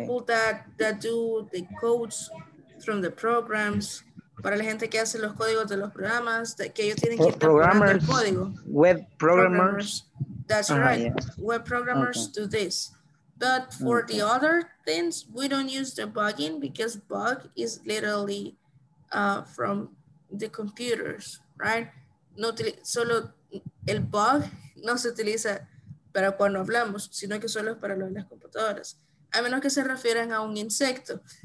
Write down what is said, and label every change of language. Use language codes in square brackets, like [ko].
[en] People that do the codes from the programs. [es] Para la gente que hace los códigos de los programas, que ellos tienen que programar el código. [en] Web programmers. That's right. Yeah. Web programmers okay. Do this. But for okay. The other things, we don't use debugging because bug is literally from the computers, right? [es] No, solo el bug no se utiliza para cuando hablamos, sino que solo es para lo de las computadoras. A menos que se refieran a un insecto.